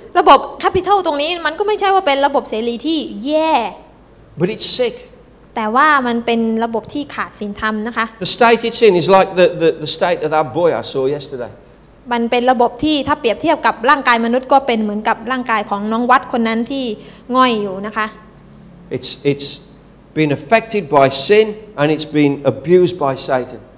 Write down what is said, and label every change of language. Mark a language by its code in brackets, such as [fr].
[th] ระบบแคปิตอลตรงนี้มันก็ไม่ใช่ว่าเป็นระบบเสรีที่แย่ [en] but it's sick [th] แต่ว่ามันเป็นระบบที่ขาดศีลธรรมนะคะ [en] the state it's in is like the state of that boy I saw yesterday [th] มันเป็นระบบที่ถ้าเปรียบเทียบกับร่างกายมนุษย์ก็เป็นเหมือนกับร่างกายของน้องวัดคนนั้นที่ง่อยอยู่นะคะ [en] it's been affected by sin and it's been abused by satan